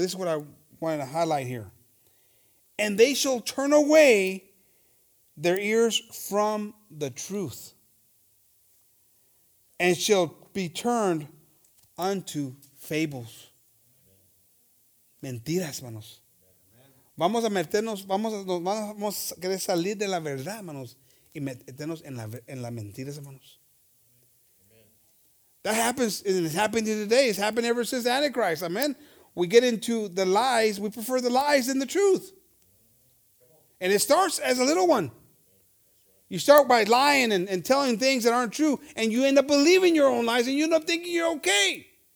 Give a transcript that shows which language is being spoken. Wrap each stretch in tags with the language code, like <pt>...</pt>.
<en>This is what I wanted to highlight here. And they shall turn away their ears from the truth and shall be turned unto fables.</en> <es>Mentiras, hermanos. Vamos a meternos, vamos a querer salir de la verdad, hermanos, y meternos en la mentira, hermanos.</es> <en>Amen. That happens, and it's happened to today. It's happened ever since Antichrist. Amen. We get into the lies. We prefer the lies than the truth. And it starts as a little one. You start by lying and telling things that aren't true, and you end up believing your own lies, and you end up thinking you're okay.</en>